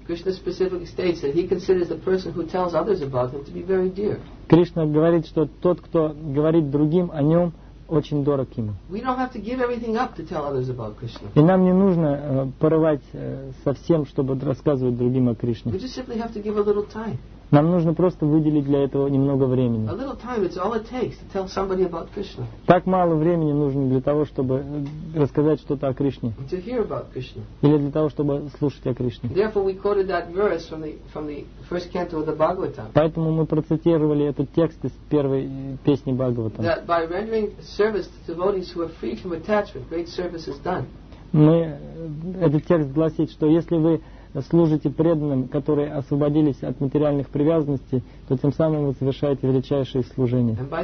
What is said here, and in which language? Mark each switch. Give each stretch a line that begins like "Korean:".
English: Krishna specifically states that he considers the person who tells others about him to be very dear.
Russian: Кришна говорит, что тот, кто говорит другим о нем, очень дорог ему.
English: We don't have to give everything up to tell others about Krishna.
Russian: И нам не нужно порывать совсем, чтобы рассказывать другим о Кришне.
English: We just simply have to give a little time.
Russian: Нам нужно просто выделить для этого немного времени.
English: A little time, it's all it takes to tell somebody about Krishna.
Russian: Так мало времени нужно для того, чтобы рассказать что-то о Кришне.
English: To hear about Krishna.
Russian: Или для того, чтобы слушать о Кришне.
English: Therefore, we quoted that verse from the first canto of the Bhagavatam.
Russian: Поэтому мы процитировали этот текст из первой песни Бхагаватам.
English: That by rendering service to devotees who are free from attachment, great service is done.
Russian: Этот текст гласит, что если вы служите преданным, которые освободились от материальных привязанностей, то тем самым вы совершаете величайшее служение.